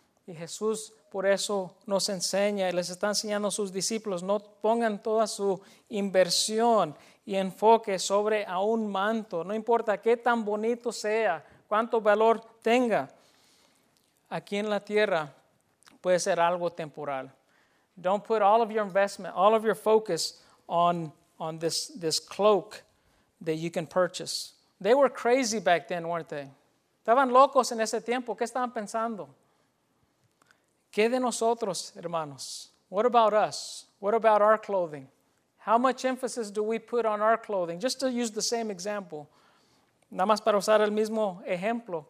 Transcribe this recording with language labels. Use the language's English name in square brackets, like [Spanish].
[Spanish] Y Jesús por eso nos enseña y les está enseñando a sus discípulos, no pongan toda su inversión y enfoque sobre a un manto, no importa qué tan bonito sea, cuánto valor tenga. Aquí en la tierra puede ser algo temporal. [English] Don't put all of your investment, all of your focus on this cloak that you can purchase. They were crazy back then, weren't they? [Spanish] Estaban locos en ese tiempo. ¿Qué estaban pensando? ¿Qué de nosotros, hermanos? [English] What about us? What about our clothing? How much emphasis do we put on our clothing? Just to use the same example. [Spanish] Nada más para usar el mismo ejemplo.